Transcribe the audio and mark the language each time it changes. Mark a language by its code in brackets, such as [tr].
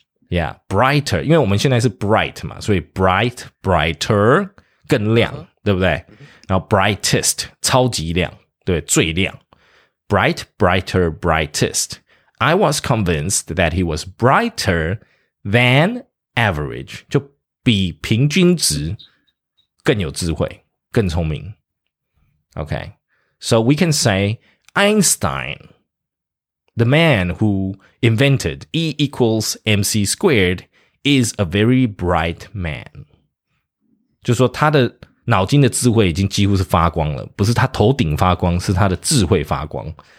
[zh] Yeah, brighter. 因为我们现在是 bright 嘛，所以 bright, brighter, 更亮，对不对？然后 brightest, 超级亮，对，最亮。Bright, brighter, brightest. [en] I was convinced that he was brighter than average. [zh] 就比平均值更有智慧，更聪明。 [en] Okay. So we can say Einstein, the man who invented E equals MC squared, is a very bright man. [zh] 就说他的脑筋的智慧已经几乎是发光了，不是他头顶发光，是他的智慧发光。